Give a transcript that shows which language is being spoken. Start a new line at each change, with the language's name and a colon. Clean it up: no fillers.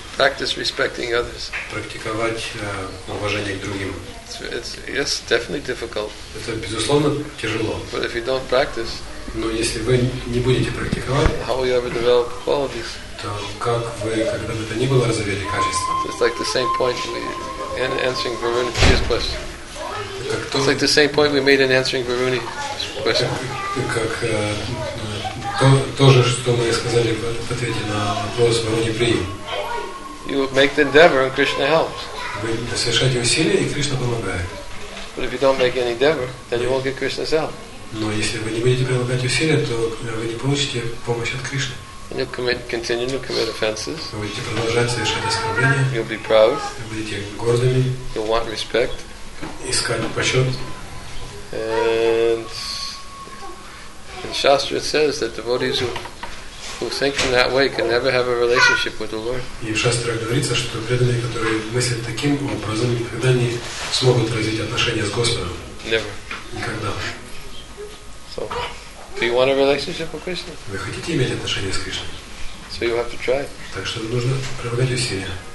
English: Practice respecting others.
Russian: Практиковать уважение к другим.
English: It's definitely difficult.
Russian: Это безусловно тяжело.
English: But if you don't practice.
Russian: Но если вы не будете практиковать,
English: how you ever develop qualities?
Russian: То как вы когда бы то ни было развили качество?
English: It's like the same point we in answering Varuni's question. It's like the same point we made in answering Varuni's question.
Russian: Как то же, что мы сказали в ответе на вопрос Варуни Прии.
English: You make the endeavor and Krishna helps.
Russian: Вы совершаете усилия и Кришна помогает.
English: But if you don't make any endeavor, then you won't get Krishna's help.
Russian: Но если вы не будете прилагать усилия, то вы не получите помощь от Кришны.
English: Commit offenses.
Russian: Вы будете продолжать совершать оскорбления.
English: You'll be proud.
Russian: Вы будете гордыми.
English: You'll want respect.
Russian: Искать почет.
English: And Shastra says that devotees who think in that way can never have a relationship with the Lord.
Russian: И в Шастрах говорится, что преданные, которые мыслят таким образом, никогда не смогут развить отношения с Господом.
English: Never.
Russian: Никогда.
English: So, do you want a relationship with Krishna?
Russian: Вы хотите иметь отношения с Кришной?
English: So you have to try.
Russian: Так что нужно прилагать усилия.